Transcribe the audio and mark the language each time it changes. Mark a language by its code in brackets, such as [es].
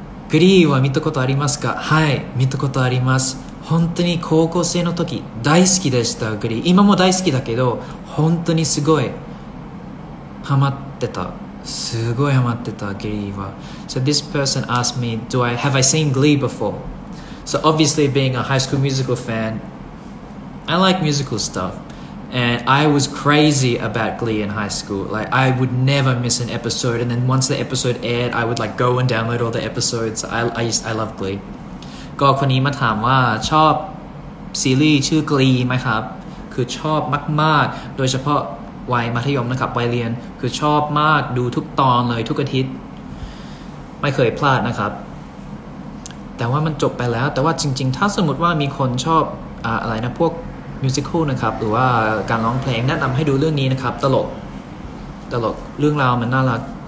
[ja] グリーは見たことありますか？はい、見たことあります。本当に高校生の時大好きでした、グリー。今も大好きだけど、本当にすごいハマってた。すごいハマってた、グリーは。 [en] So this person asked me, have I seen Glee before? So obviously being a High School Musical fan, I like musical stuff. And I was crazy about Glee in high school. Like, I would never miss an episode. And then once the episode aired, I would, like, go and download all the episodes. I love Glee. [th] ก็คนนี้มาถามว่าชอบซีรีส์ชื่อ Glee ไหมครับคือชอบมากๆโดยเฉพาะวัยมัธยมนะครับวัยเรียนคือชอบมากดูทุกตอนเลยทุกอาทิตย์ไม่เคยพลาดนะครับแต่ว่ามันจบไปแล้วแต่ว่าจริงๆถ้าสมมติว่ามีคนชอบอะไรนะพวกมิวสิคอลนะครับหรือว่าการร้องเพลงแนะนำให้ดูเรื่องนี้นะครับตลกตลกเรื่องราวมันน่ารัก